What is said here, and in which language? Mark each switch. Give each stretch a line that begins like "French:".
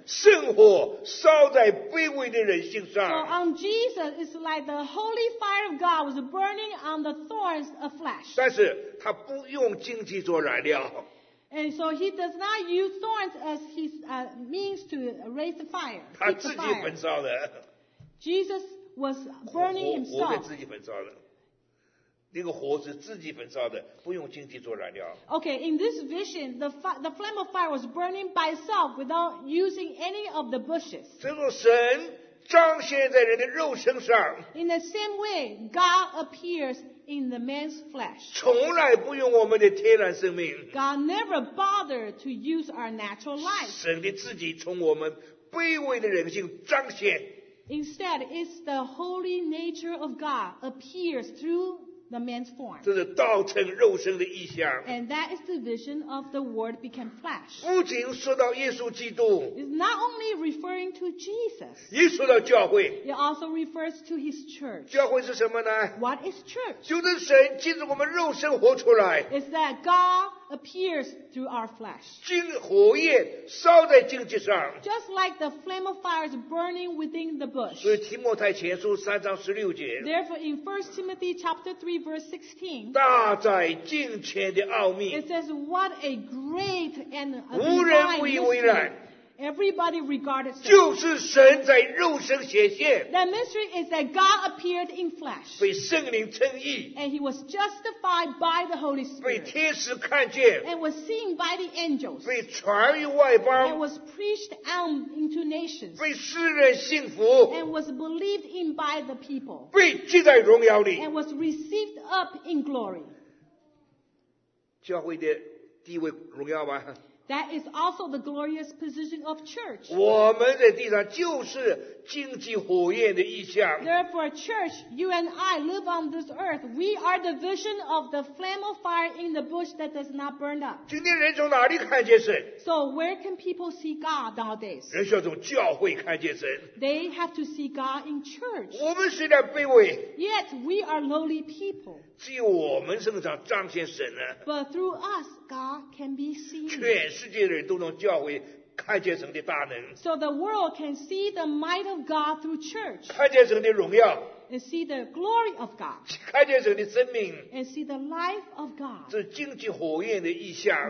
Chinese: 圣火烧在卑微的人性上。
English: So on Jesus, it's like the holy fire of God was burning on the thorns of flesh.
Chinese: 但是他不用荆棘做燃料。
English: And so he does not use thorns as his means to raise the fire.
Chinese: 他自己焚烧的。
English: Jesus was burning himself.
Chinese: 火在自己焚烧的。那个火是自己焚烧的，不用荆棘做燃料。
English: Okay, in this vision, the flame of fire was burning by itself without using any of the bushes.
Chinese: 这个神彰显在人的肉身上。
English: In the same way, God appears. In the man's flesh.
Chinese: 从来不用我们的天然生命。
English: God never bothered to use our natural life.
Chinese: 神的自己从我们卑微的人性彰显。
English: Instead, it's the holy nature of God appears through the man's form.
Chinese: 这是道成肉身的意象。
English: And that is the vision of the Word became flesh.
Chinese: 不仅说到耶稣基督。
English: It's not only referring to Jesus.
Chinese: 也说到教会。
English: It also refers to his church.
Chinese: 教会是什么呢
English: ？What is church?
Chinese: 就是神借着我们肉身活出来。
English: It's that God appears through our flesh.
Chinese: 荆火焰烧在荆棘上。
English: Just like the flame of fire is burning within the bush.
Chinese: 所以提摩太前书三章十六节。
English: Therefore, in 1 Timothy chapter 3, verse 16,
Chinese: 大在敬虔的奥秘。
English: It says, "What a great and divine mystery!" Everybody regarded it.
Chinese: 就是神在肉身显现。
English: The mystery is that God appeared in flesh.
Chinese: 被圣灵称义。
English: And He was justified by the Holy Spirit.
Chinese: 被天使看见。
English: And was seen by the angels.
Chinese: 被传于外邦。
English: And was preached out into nations.
Chinese: 被世人信服。
English: And was believed in by the people.
Chinese: 被记在荣耀里。
English: And was received up in glory.
Chinese: 教会的地位荣耀吗？
English: That is also the glorious position of church.
Chinese: 我们在地上就是荆棘火焰的异象。
English: Therefore, church, you and I live on this earth. We are the vision of the flame of fire in the bush that does not burn up.
Chinese: 今天人从哪里看见神？
English: So where can people see God nowadays?
Chinese: 人需要从教会看见神。
English: They have to see God in church.
Chinese: 我们虽然卑微。
English: Yet we are lowly people.
Chinese: 只有我们身上彰显神呢。
English: But through us, God can be seen.
Chinese: 全世界的人都能教会。看见神的大能。
English: So the world can see the might of God through church.
Chinese: 看见神的荣耀。
English: And see the glory of God.
Chinese: 看见神的生命。
English: And see the life of God.
Chinese: 这荆棘火焰的异象。